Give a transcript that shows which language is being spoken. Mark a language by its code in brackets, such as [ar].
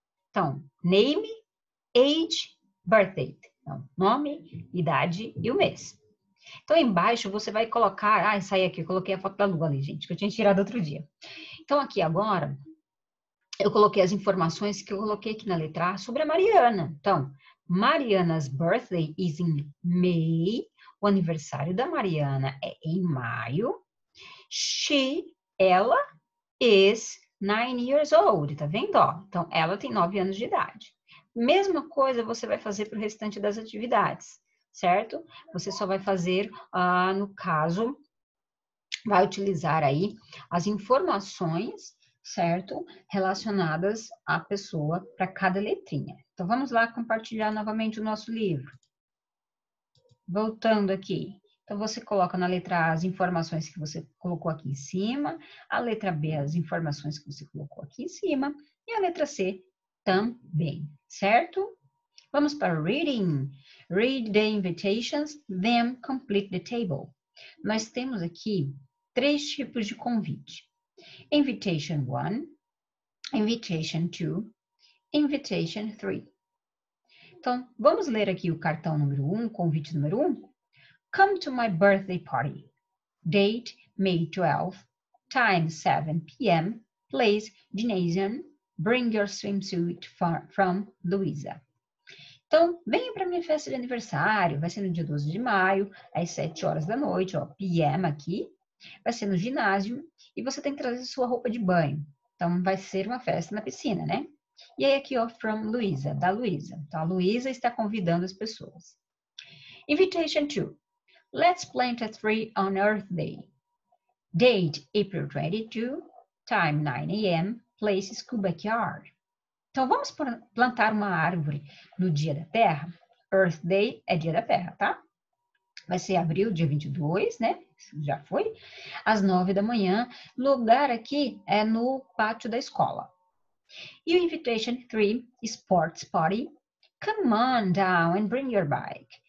[pt] Então, [en] name, age, birth date. [pt] Então, nome, idade e o mês. Então, embaixo, você vai colocar... Ah, saí aqui, eu coloquei a foto da lua ali, gente, que eu tinha tirado outro dia. Então, aqui agora, eu coloquei as informações que eu coloquei aqui na letra A sobre a Mariana. Então, [en] Mariana's birthday is in May. [pt] O aniversário da Mariana é em maio. [en] She, [pt] ela, [en] is 9 years old. [pt] Tá vendo, ó? Então, ela tem 9 anos de idade. Mesma coisa você vai fazer para o restante das atividades, certo? Você só vai fazer, no caso, vai utilizar aí as informações, certo? Relacionadas à pessoa para cada letrinha. Então, vamos lá compartilhar novamente o nosso livro. Voltando aqui. Então, você coloca na letra A as informações que você colocou aqui em cima, a letra B as informações que você colocou aqui em cima, e a letra C também, certo? Vamos para o [en] reading. Read the invitations, then complete the table. [pt] Nós temos aqui três tipos de convite. [en] Invitation 1, invitation 2, invitation 3. [pt] Então, vamos ler aqui o cartão número 1, convite número 1. [en] Come to my birthday party. Date, May 12th. Time, 7 p.m. Place, gymnasium. Bring your swimsuit from Luisa. [pt] Então, venha para minha festa de aniversário. Vai ser no dia 12 de maio, às 7 horas da noite, ó, p.m. aqui. Vai ser no ginásio e você tem que trazer sua roupa de banho. Então, vai ser uma festa na piscina, né? E aí, aqui, ó, [en] from Luisa, [pt] da Luisa. Então, a Luisa está convidando as pessoas. [en] Invitation 2. Let's plant a tree on Earth Day. Date, April 22. Time, 9 a.m. Place, school backyard. [pt] Então, vamos plantar uma árvore no dia da Terra? Earth Day é dia da Terra, tá? Vai ser abril, dia 22, né? Já foi. Às 9 da manhã. Lugar aqui é no pátio da escola. E o [en] invitation 3, sports party. Come on down and bring your bike.